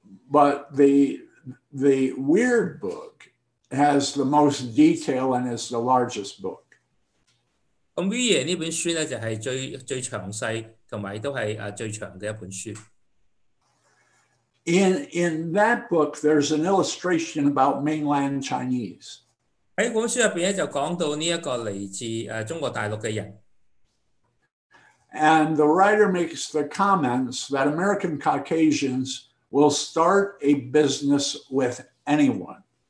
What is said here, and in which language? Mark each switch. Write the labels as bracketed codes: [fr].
[en] But the weird book has the most detail and is the largest book. [zh] 这本书就是最详细和最长的一本书. [en] In that book, there's an illustration about mainland Chinese. [zh] 在这本书里面就讲到这个来自中国大陆的人. [en] And the writer makes the comments that American Caucasians will start a business with anyone.